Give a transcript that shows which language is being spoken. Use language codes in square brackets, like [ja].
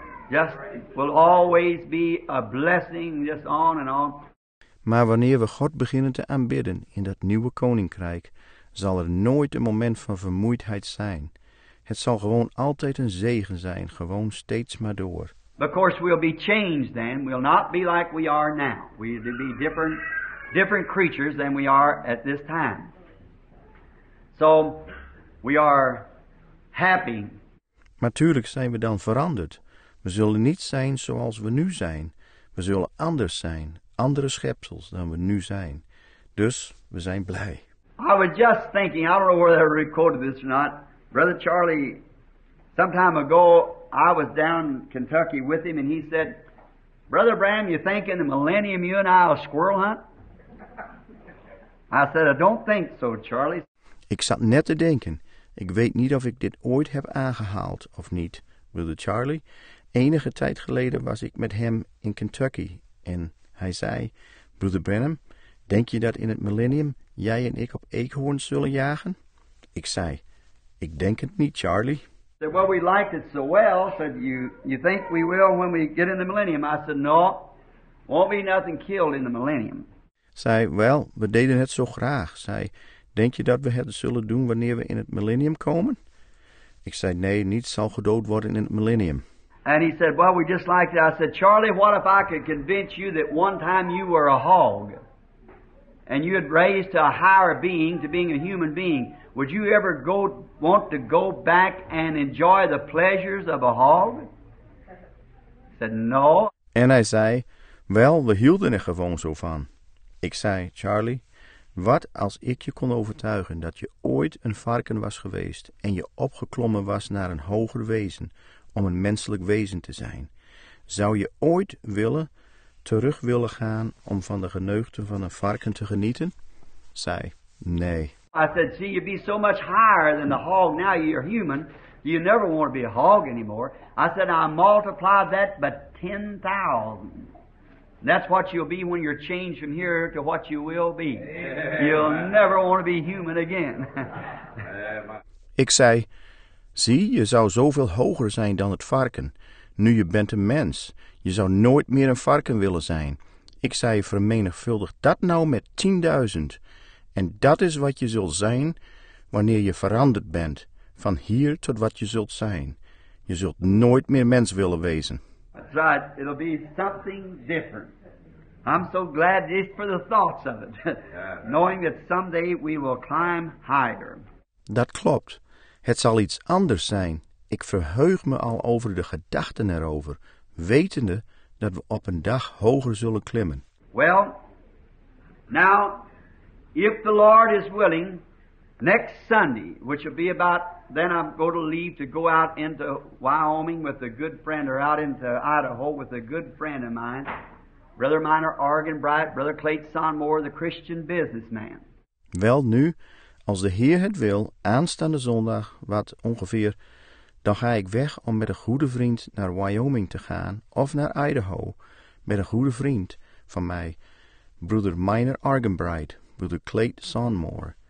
[en] Just will always be a blessing, just on and on. [nl] Maar wanneer we God beginnen te aanbidden in dat nieuwe koninkrijk, zal er nooit een moment van vermoeidheid zijn. Het zal gewoon altijd een zegen zijn, gewoon steeds maar door. [en] Of course we'll be changed then. We'll not be like we are now. We'll be different creatures than we are at this time. So we are happy. [nl] Natuurlijk zijn we dan veranderd. We zullen niet zijn zoals we nu zijn. We zullen anders zijn, andere schepsels dan we nu zijn. Dus we zijn blij. [en] I was just thinking, I don't know whether I recorded this or not, Brother Charlie, some time ago, I was down in Kentucky with him, and he said, Brother Bram, you think in the millennium you and I will squirrel hunt? I said, I don't think so, Charlie. [nl] Ik zat net te denken, ik weet niet of ik dit ooit heb aangehaald of niet, Brother Charlie. Enige tijd geleden was ik met hem in Kentucky, en hij zei, Brother Branham, denk je dat in het millennium jij en ik op eekhoorns zullen jagen? Ik zei, ik denk het niet, Charlie. [en] Said, well, we liked it so well. Said, you think we will when we get in the millennium? I said, no, Won't be nothing killed in the millennium. [nl] Zij, wel, we deden het zo graag. Zij, denk je dat we het zullen doen wanneer we in het millennium komen? Ik zei, nee, niets zal gedood worden in het millennium. [en] And he said, well, we just like that. I said, Charlie, what if I could convince you that one time you were a hog and you had raised to a higher being, to being a human being, would you ever want to go back and enjoy the pleasures of a hog? He said, no. [nl] En hij zei, wel, we hielden er gewoon zo van. Ik zei, Charlie, wat als ik je kon overtuigen dat je ooit een varken was geweest en je opgeklommen was naar een hoger wezen om een menselijk wezen te zijn? Zou je ooit terug willen gaan om van de geneugten van een varken te genieten? Zij, nee. [en] I said, see, you'd be so much higher than the hog now you're human. You never want to be a hog anymore. I said, I multiply that by 10,000. That's what you'll be when you're changed from here to what you will be. You'll never want to be human again. [nl] Ik zei, zie, je zou zoveel hoger zijn dan het varken. Nu je bent een mens. Je zou nooit meer een varken willen zijn. Ik zei, vermenigvuldig dat nou met 10,000. En dat is wat je zult zijn wanneer je veranderd bent. Van hier tot wat je zult zijn. Je zult nooit meer mens willen wezen. [en] That's right. It'll be something different. I'm so glad just for the thoughts of it. Knowing that someday we will climb higher. [nl] Dat klopt. Het zal iets anders zijn. Ik verheug me al over de gedachten erover, wetende dat we op een dag hoger zullen klimmen. [en] Well, now, if the Lord is willing, next Sunday, which will be about, then I'm going to leave to go out into Wyoming with a good friend, or out into Idaho with a good friend of mine, Brother Minor Argan Bright, Brother Clayton Sonmore, the Christian businessman. [nl] Wel nu, als de Heer het wil, aanstaande zondag, wat ongeveer, dan ga ik weg om met een goede vriend naar Wyoming te gaan, of naar Idaho, met een goede vriend van mij, Brother Minor Argan Bright, Brother Clayton Sonmore.